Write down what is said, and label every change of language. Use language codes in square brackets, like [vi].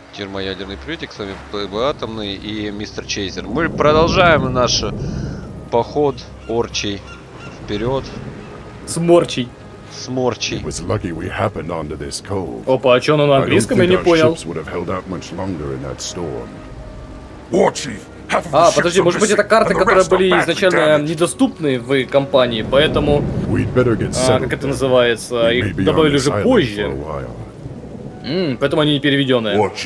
[ru] Термоядерный приютик, с вами ПБ Атомный и мистер Чейзер. Мы продолжаем наш поход орчий вперед. Сморчий. Сморчий. [en] It was lucky we happened onto this cove. [ru] Опа, а чё, он на английском, я не понял. [en] Ships would have held out much longer in that storm. Orchie, [ru] а, подожди, может быть, это карты, которые были изначально недоступны в компании, поэтому... как это называется? Их добавили уже позже. Поэтому они не переведенные.